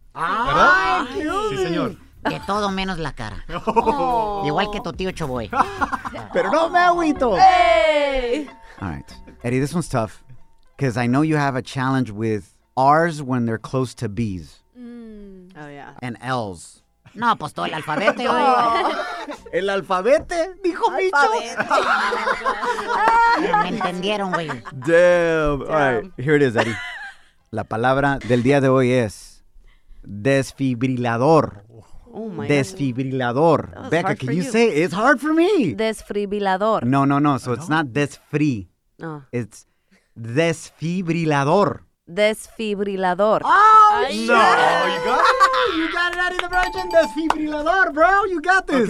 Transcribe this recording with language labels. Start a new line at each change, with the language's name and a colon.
Spanish: ¿Verdad? Sí, señor. De todo menos la cara. Oh. Igual que tu tío Choboy. Pero no me agüito. Hey.
English: All right. Eddie, this one's tough. Because I know you have a challenge with R's when they're close to B's. Oh, yeah. And L's.
Spanish: No, pues todo el alfabeto. No. El alfabete, dijo alfabete. Micho. Me entendieron, güey.
English: Damn. All right. Here it is, Eddie.
Spanish: La palabra del día de hoy es desfibrilador.
English: Oh my God.
Spanish: Desfibrilador.
English: Becca, can you say it? It's hard for me.
Spanish: Desfibrilador.
English: No, no, no. So it's not desfri. No. It's desfibrilador.
Spanish: Desfibrilador.
English: Oh, no. You got it out of the version. Desfibrilador, bro. You got this.